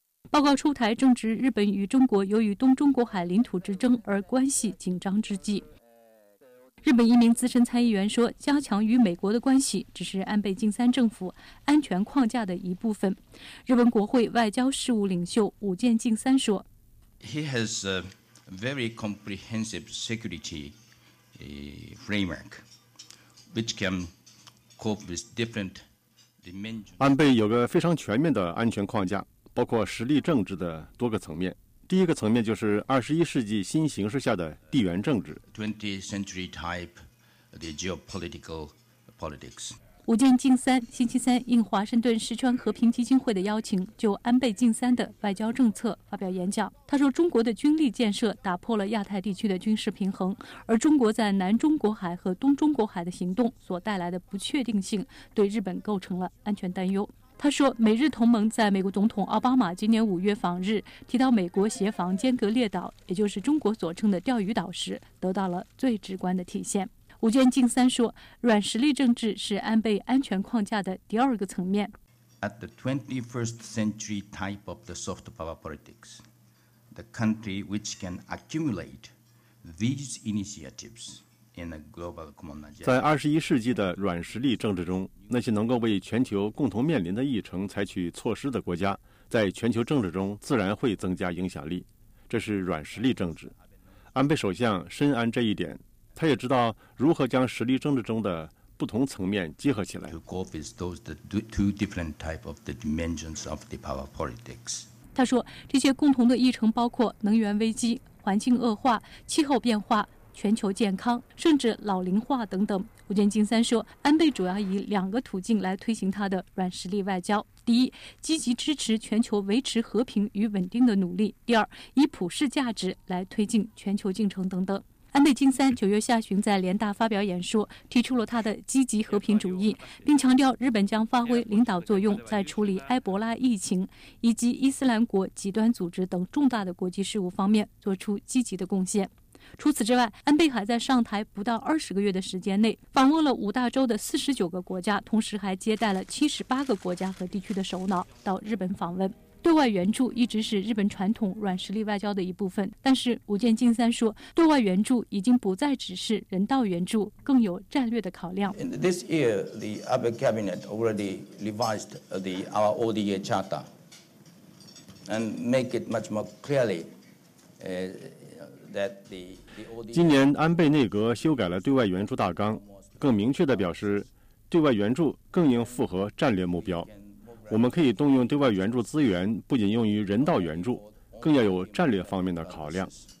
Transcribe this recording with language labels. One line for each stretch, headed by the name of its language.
Chinese: 报告出台正值日本与中国由于东中国海领土之争而关系紧张之际。日本一名资深参议员说，加强与美国的关系只是安倍晋三政府安全框架的一部分。日本国会外交事务领袖武见晋三说，
English: He has a very comprehensive security framework which can cope with different dimensions。
Chinese: 安倍有个非常全面的安全框架，包括实力政治的多个层面。第一个层面就是21世纪新形势下的地缘政治。武见晋三星期三应华盛顿石川和平基金会的邀请，就安倍晋三的外交政策发表演讲。他说，中国的军力建设打破了亚太地区的军事平衡，而中国在南中国海和东中国海的行动所带来的不确定性，对日本构成了安全担忧。他说，美日同盟在美国总统奥巴马今年5月访日提到美国协防尖阁列岛，也就是中国所称的钓鱼岛时，得到了最直观的体现。武见晋三说，软实力政治是安倍安全框架的第二个层面。
English: At the 21st century type of the soft power politics, the country which can accumulate these initiatives
Chinese: 在21世纪的软实力政治中，那些能够为全球共同面临的议程采取措施的国家，在全球政治中自然会增加影响力。这是软实力政治。安倍首相深谙这一点，他也知道如何将实力政治中的不同层面结合起来。
English: To cope with those the two different type of the dimensions of the power politics。
Chinese: 他说，这些共同的议程包括能源危机、环境恶化、气候变化、全球健康，甚至老龄化等等。武见晋三说，安倍主要以两个途径来推行他的软实力外交。第一，积极支持全球维持和平与稳定的努力。第二，以普世价值来推进全球进程等等。安倍晋三9月下旬在联大发表演说，提出了他的积极和平主义，并强调日本将发挥领导作用，在处理埃博拉疫情以及伊斯兰国极端组织等重大的国际事务方面做出积极的贡献。除此之外，安倍还在上台不到20个月的时间内，访问了5大洲的49个国家，同时还接待了78个国家和地区的首脑到日本访问。对外援助一直是日本传统软实力外交的一部分，但是武见金三说，对外援助已经不再只是人道援助，更有战略的考量。
English: This year, the Abe cabinet already revised the our ODA charter and make it much more clearly that the
Chinese: 今年安倍内阁修改了对外援助大纲，更明确地表示，对外援助更应符合战略目标。我们可以动用对外援助资源，不仅用于人道援助，更要有战略方面的考量。